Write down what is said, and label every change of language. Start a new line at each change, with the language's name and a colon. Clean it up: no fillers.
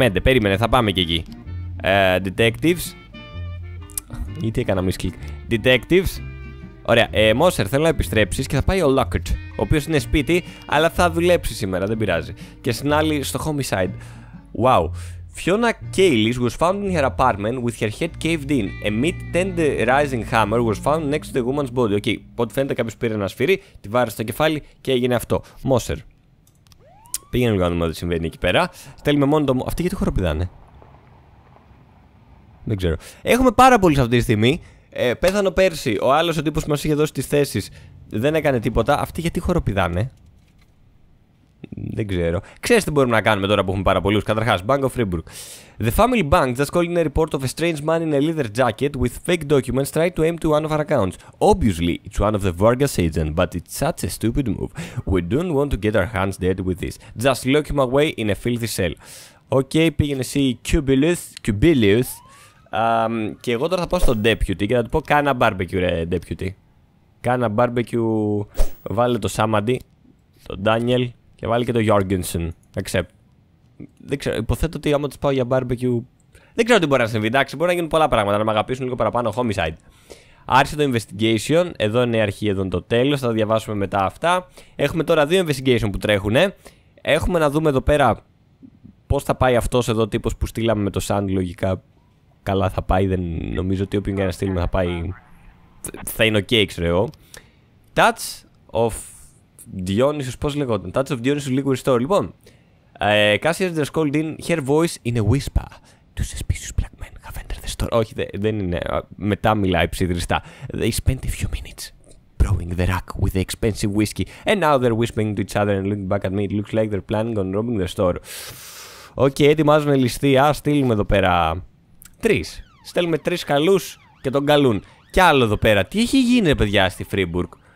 Greek: Περίμενε, θα πάμε και εκεί. Detectives. Ή τι έκανα μισκλικ. Detectives. Ωραία. Μόσερ, θέλω να επιστρέψεις και θα πάει ο Lockett, ο οποίος είναι σπίτι, αλλά θα δουλέψει σήμερα, δεν πειράζει. Και στην άλλη, στο homicide. Wow.
English: Fiona Kalis was found in her apartment with her head caved in. A mid-tenderizing hammer was found next to the woman's body.
Greek: Okay, ό,τι φαίνεται κάποιος πήρε ένα σφύρι, τη βάρεσε στο κεφάλι και έγινε αυτό. Μόσερ. Πήγαινε λίγο να δούμε τι συμβαίνει εκεί πέρα. Στέλνουμε μόνο το. Αυτή γιατί χοροπηδάνε. Δεν ξέρω. Έχουμε πάρα πολλούς αυτή τη στιγμή. Πέθανε πέρσι. Ο άλλος ο τύπος που μας είχε δώσει τις θέσεις δεν έκανε τίποτα. Αυτή γιατί χοροπηδάνε. Δεν ξέρω. Ξέρεις τι μπορούμε να κάνουμε τώρα που έχουμε πάρα πολλούς.
English: Καταρχάς, Bank of Fribourg. The Family Bank just called in a report of a strange man in a leather jacket with fake documents trying to aim to one of our accounts. Obviously, it's one of the Vargas agents, but it's such a stupid move. We don't want to get our hands dirty with this. Just lock him away in a filthy cell.
Greek: Okay, πήγαινε εσύ, Cubilius. Και εγώ τώρα θα πάω στο deputy και θα του πω κάνα barbecue, ρε deputy. Κάνα barbecue, βάλε το Samadhi, το Daniel. Και βάλει και το Jorgensen. Accept. Δεν ξέρω, υποθέτω ότι άμα τους πάω για barbecue. Δεν ξέρω τι μπορεί να συμβεί. Εντάξει, μπορεί να γίνουν πολλά πράγματα. Να με αγαπήσουν λίγο παραπάνω. Homicide. Άρχισε το investigation. Εδώ είναι η αρχή, εδώ είναι το τέλος. Θα τα διαβάσουμε μετά αυτά. Έχουμε τώρα δύο investigation που τρέχουν. Έχουμε να δούμε εδώ πέρα πώς θα πάει αυτός εδώ τύπος που στείλαμε με το Sandy. Λογικά καλά θα πάει. Δεν νομίζω ότι όποιον και να στείλουμε θα πάει. Θα είναι ok, ξέρω εγώ.
English: Touch of. Dionysus,
Greek: πώς λεγόταν,
English: Touch of Dionysus Liquor Store.
Greek: Λοιπόν,
English: Cassie has called in her voice in a whisper. Two suspicious black men have entered the store.
Greek: Όχι, δεν είναι, μετά μιλάει ψιδριστά.
English: They spent a few minutes brewing the rack with the expensive whiskey. And now they're whispering to each other and looking back at me. It looks like they're planning on robbing the store.
Greek: Okay, ετοιμάζουν ληστεία, στείλουμε εδώ πέρα τρεις. Στέλνουμε τρεις καλούς και τον καλούν. Κι άλλο εδώ πέρα, τι έχει γίνει παιδιά στη Φρίμπουργκ.